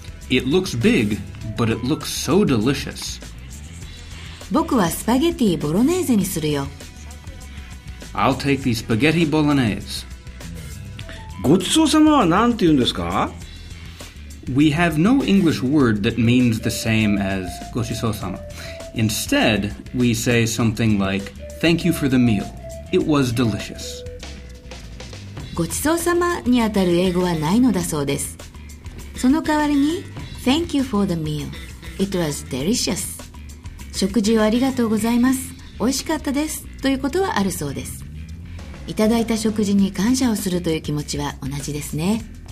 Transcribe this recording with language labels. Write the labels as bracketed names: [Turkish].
[English] It looks big. But it looks so delicious. [Japanese] 僕はスパゲティボロネーゼにするよ。 [English] I'll take the spaghetti bolognese. [Japanese] ごちそうさまはなんて言うんですか? [English] We have no English word that means the same as ごちそうさま. Instead, we say something like Thank you for the meal. It was delicious. [Japanese] ごちそうさまにあたる英語はないのだそうです。その代わりに [English] Thank you for the meal. It was delicious. [Japanese] 食事をありがとうございます。美味しかったです。ということはあるそうです。いただいた食事に感謝をするという気持ちは同じですね。